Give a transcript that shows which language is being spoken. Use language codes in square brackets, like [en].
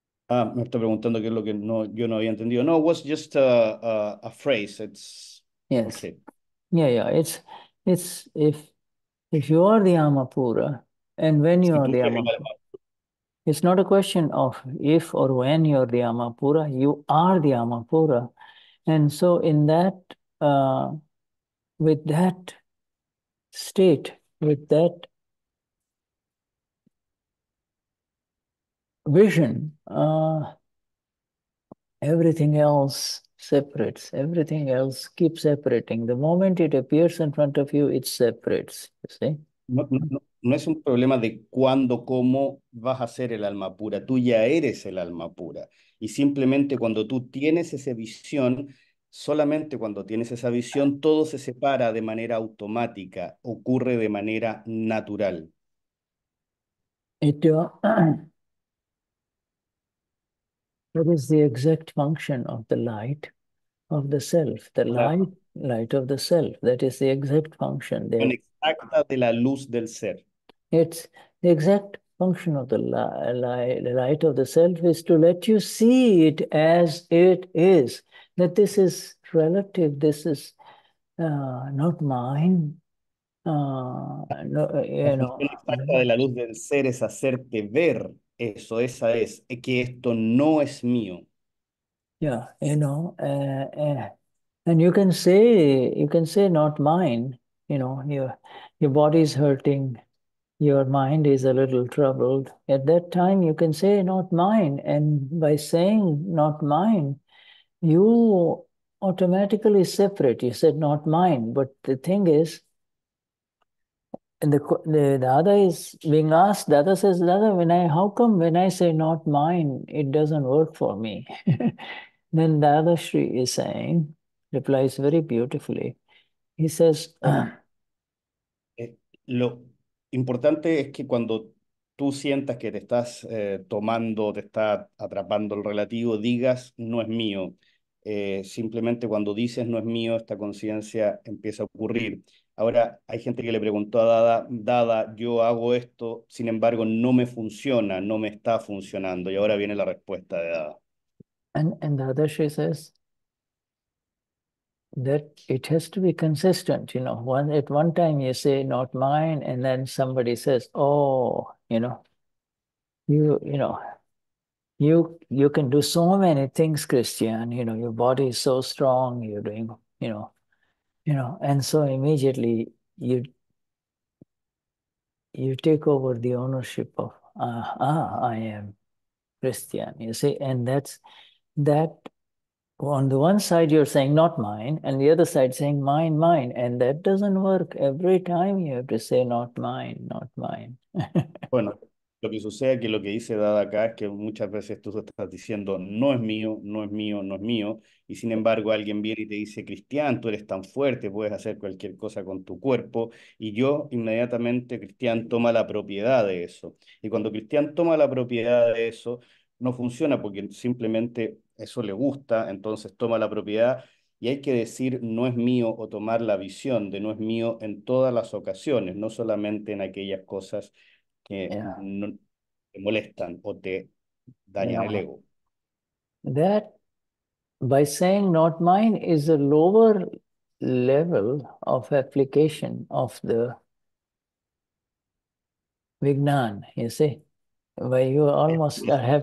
[es] Me está preguntando qué es lo que yo no había entendido. [en] No, it was just a phrase. It's yes. Okay. Yeah. It's if you are the Amapura, and when you are the Amapura, it's not a question of if or when you are the Amapura. You are the Amapura, and so in that, with that state, with that vision, everything else separates. Everything else keeps separating. The moment it appears in front of you, it separates. You see? [es] No es un problema de cuándo, cómo vas a ser el alma pura. Tú ya eres el alma pura. Y simplemente cuando tú tienes esa visión, solamente cuando tienes esa visión, todo se separa de manera automática, ocurre de manera natural. [en] It is the exact function of the light of the self, the light of the self. That is the exact function. La [es] función exacta de la luz del ser. [en] It's the exact function of the light of the self is to let you see it as it is. That this is relative, this is not mine. [es] No, La no. función exacta de la luz del ser es hacerte ver eso, esa es que esto no es mío. [en] Yeah, you know, and you can say not mine. You know, your body is hurting, your mind is a little troubled. At that time, you can say not mine, and by saying not mine, you automatically separate. You said not mine, but the thing is, and the other is being asked. The other says, the other, when I how come when I say not mine, it doesn't work for me. Then Dadashri is saying, replies very beautifully. He says, [es] Lo importante es que cuando tú sientas que te estás tomando, te está atrapando el relativo, digas no es mío. Simplemente cuando dices no es mío, esta conciencia empieza a ocurrir. Ahora, hay gente que le preguntó a Dada, yo hago esto, sin embargo, no me funciona, no me está funcionando. Y ahora viene la respuesta de Dada. [en] And Dadashri says that it has to be consistent. You know, one at one time you say not mine, and then somebody says, oh, you can do so many things, Christian. You know, your body is so strong. You're doing, and so immediately you take over the ownership of I am Christian. You see, and that's. That on the one side you're saying not mine, and the other side saying mine, mine, and that doesn't work. Every time you have to say not mine, not mine. [es] Bueno, lo que sucede es que lo que dice Dada acá es que muchas veces tú estás diciendo no es mío, no es mío, no es mío, y sin embargo alguien viene y te dice, Cristian, tú eres tan fuerte, puedes hacer cualquier cosa con tu cuerpo, y yo inmediatamente, Cristian, toma la propiedad de eso. Y cuando Cristian toma la propiedad de eso, no funciona porque simplemente eso le gusta, entonces toma la propiedad. Y hay que decir no es mío o tomar la visión de no es mío en todas las ocasiones, no solamente en aquellas cosas que [en] Yeah. [es] no te molestan o te [en] You [es] dañan el [en] know, [es] ego. [en] that by saying not mine is a lower level of application of the Vignan, you see, where you almost have